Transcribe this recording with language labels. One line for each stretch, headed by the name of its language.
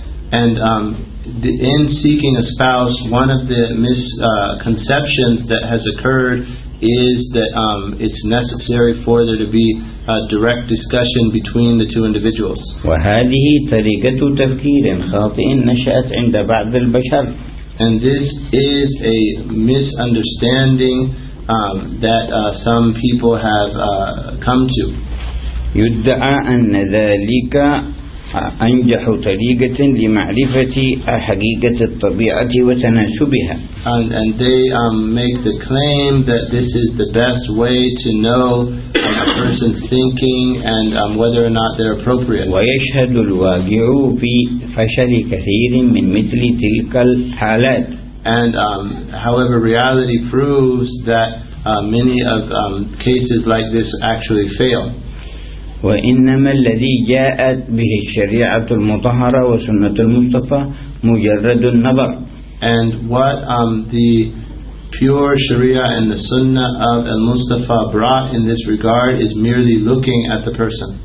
English: And in seeking a spouse, one of the misconceptions that has occurred is that it's necessary for there to be a direct discussion between the two individuals.
Arabic: وهذه طريقة تفكير خاطئ نشأت عند بعض البشر.
English: And this is a misunderstanding that some people have come to.
Arabic: يدعى أن ذلك أنجح طريقة لمعرفة حقيقة الطبيعة وتناسبها.
English: And they make the claim that this is the best way to know a person's thinking and whether or not they're appropriate.
Arabic: ويشهد الواقع بفشل كثير من مثل تلك الحالات.
English: And however, reality proves that many of cases like this actually fail.
Arabic: وإنما الذي جاءت به الشريعة المطهرة وسنة المصطفى مجرد النظر.
English: And what the pure Sharia and the Sunnah of al-Mustafa brought in this regard is merely looking at the person.